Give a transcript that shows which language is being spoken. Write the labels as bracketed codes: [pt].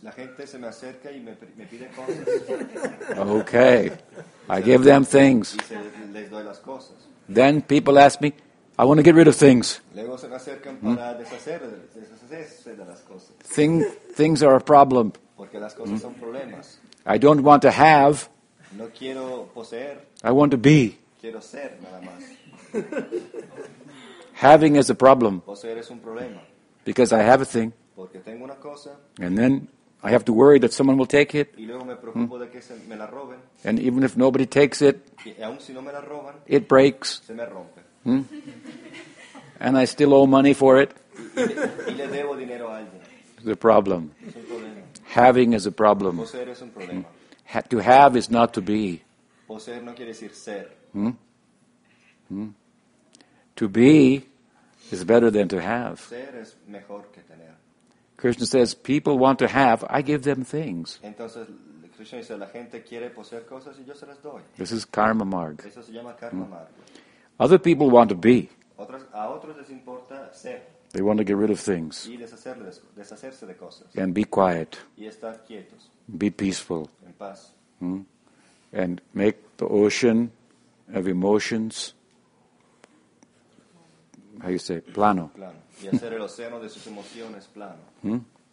[es] La gente se me acerca y me pide cosas. [en] Okay. I give them things. [es] Y les doy las cosas. [en] Then people ask me, I want to get rid of things. [es] Luego se me acercan para deshacerse de las cosas. [en] Things are a problem. [es] Porque las cosas son problemas. [en] I don't want to have. [es] No quiero poseer. [en] I want to be. [es] Quiero ser nada más. [en] Having is a problem. [es] Poseer es un problema. [en] Because I have a thing. [es] Porque tengo una cosa. [en] And then I have to worry that someone will take it. [es] Y luego me preocupo de que se me la roben. [en] And even if nobody takes it, [es] y aun si no me la roban, [en] it breaks. [es] Se me rompe. [en] And I still owe money for it. [es] Y le debo dinero a alguien. [en] It's a problem. [es] Es un problema. [en] Having is a problem. [es] Poseer es un problema. [en] To have is not to be. [es] Poseer no quiere decir ser. [en] To be is better than to have. [es] Ser es mejor que tener. [en] Krishna says, people want to have, I give them things. [es] Entonces, Krishna dice, la gente quiere poseer cosas y yo se las doy. [en] This is karma marg. [es] Eso se llama karma marg. [en] Other people want to be. [es] A otros les importa ser. [en] They want to get rid of things. [es] Y deshacerse de cosas. [en] And be quiet. [es] Y estar quietos. [en] Be peaceful. [es] En paz. [en] And make the ocean of emotions, how you say, plano. [es] Y hacer el océano de sus emociones plano.